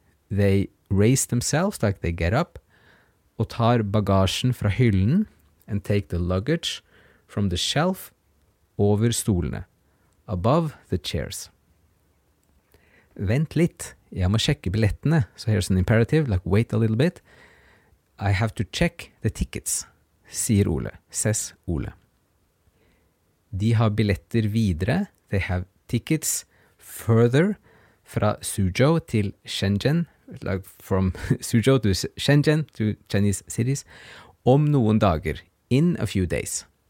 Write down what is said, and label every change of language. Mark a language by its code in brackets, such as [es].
[en] They raise themselves, like they get up, [no] og tar bagasjen fra hyllen, [en] and take the luggage from the shelf [no] over stolene, [en] above the chairs. [no] Vent litt, jeg må sjekke billettene. [en] So here's an imperative, like wait a little bit. I have to check the tickets, [no] sier Ole, [en] says Ole. [no] De har billetter videre, [en] they have tickets further [no] fra Suzhou til Shenzhen, [en] like from Suzhou to Shenzhen to Chinese cities, [no] om noen dager, [en] in a few days.